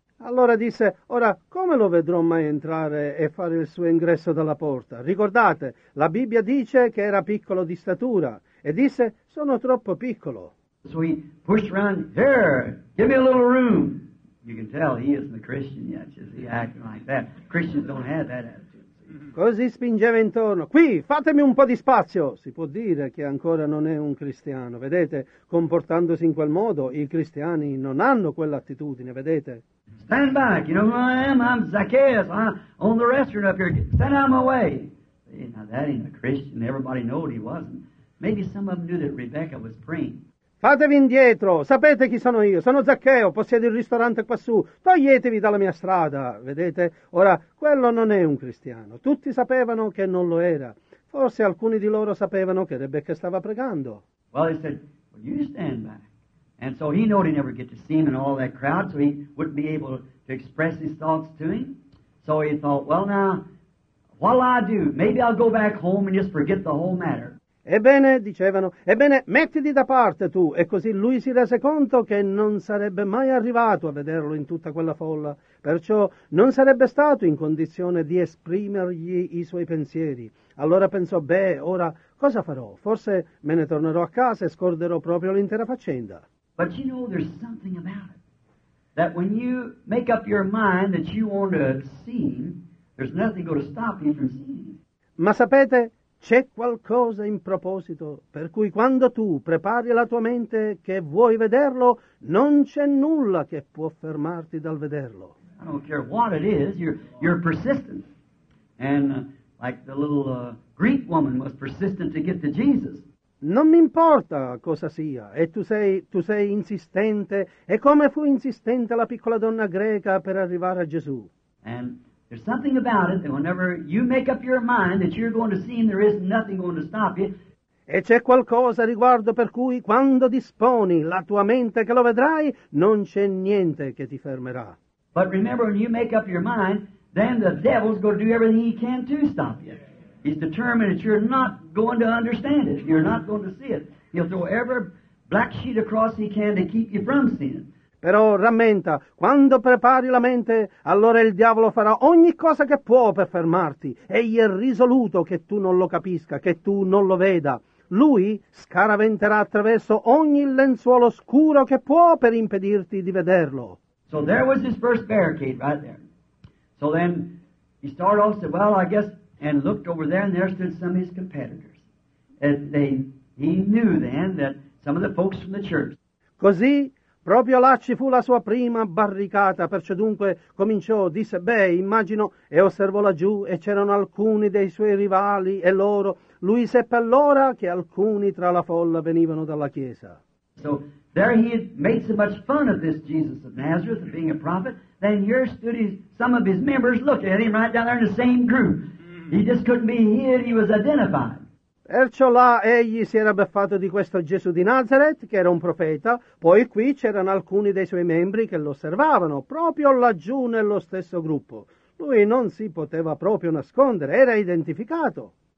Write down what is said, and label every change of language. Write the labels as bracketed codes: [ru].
[it] Allora disse, ora come lo vedrò mai entrare e fare il suo ingresso dalla porta? Ricordate, la Bibbia dice che era piccolo di statura e disse, sono troppo piccolo. [en] So he pushed around, here, give me a little room. You can tell he isn't a Christian yet, just he acting like that. Christians don't have that attitude. [it] Così spingeva intorno, qui, fatemi un po' di spazio. Si può dire che ancora non è un cristiano, vedete? Comportandosi in quel modo, i cristiani non hanno quell'attitudine, vedete? [en] Stand back, you know who I am? I'm Zacchaeus, I'm on the restaurant up here. Stand out of my way. See, now that ain't a Christian, everybody knew what he wasn't. Maybe some of them knew that Rebecca was praying. [it] Fatevi indietro, sapete chi sono io, sono Zaccheo, possiedo il ristorante quassù, toglietevi dalla mia strada, vedete? Ora, quello non è un cristiano, tutti sapevano che non lo era, forse alcuni di loro sapevano che Rebecca stava pregando. [en] Well, he said, well, you stand back. And so he knew he'd never get to see him in all that crowd, so he wouldn't be able to express his thoughts to him. So he thought, well now, what'll I do? Maybe I'll go back home and just forget the whole matter. [it] Ebbene, dicevano, ebbene, mettiti da parte tu. E così lui si rese conto che non sarebbe mai arrivato a vederlo in tutta quella folla. Perciò non sarebbe stato in condizione di esprimergli i suoi pensieri. Allora pensò, beh, ora cosa farò? Forse me ne tornerò a casa e scorderò proprio l'intera faccenda. [en] But you know there's something about it. That when you make up your mind that you want to see him, there's nothing going to stop you from seeing him. [it] Ma sapete? C'è qualcosa in proposito per cui quando tu prepari la tua mente che vuoi vederlo, non c'è nulla che può fermarti dal vederlo. [en] I don't care what it is, you're persistent. And like the little Greek woman was persistent to get to Jesus. [it] Non mi importa cosa sia, e tu sei insistente, e come fu insistente la piccola donna greca per arrivare a Gesù. [en] And there's something about it that whenever you make up your mind that you're going to see him, there is nothing going to stop you. [it] E c'è qualcosa riguardo per cui quando disponi la tua mente che lo vedrai, non c'è niente che ti fermerà. [en] But remember, when you make up your mind, then the devil's going to do everything he can to stop you. He's determined that you're not going to understand it. You're not going to see it. He'll throw every black sheet across he can to keep you from seeing it. [it] Però rammenta, quando prepari la mente, allora il diavolo farà ogni cosa che può per fermarti. Egli è risoluto che tu non lo capisca, che tu non lo veda. Lui scaraventerà attraverso ogni lenzuolo scuro che può per impedirti di vederlo. [en] So there was his first barricade right there. So then he started off and said, well, I guess, and looked over there and there stood some of his competitors. he knew then that some of the folks from the church. [it] Così proprio là ci fu la sua prima barricata, perciò dunque cominciò, disse, beh, immagino, e osservò laggiù, e c'erano alcuni dei suoi rivali, e loro, lui seppe allora che alcuni tra la folla venivano dalla chiesa. [en] So, there he had made so much fun of this Jesus of Nazareth, of being a prophet, then here stood his, some of his members looking at him right down there in the same group. He just couldn't be hid, he was identified. [it] Perciò là egli si era beffato di questo Gesù di Nazareth, che era un profeta, poi qui c'erano alcuni dei suoi membri che lo osservavano, proprio laggiù nello stesso gruppo. Lui non si poteva proprio nascondere, era identificato.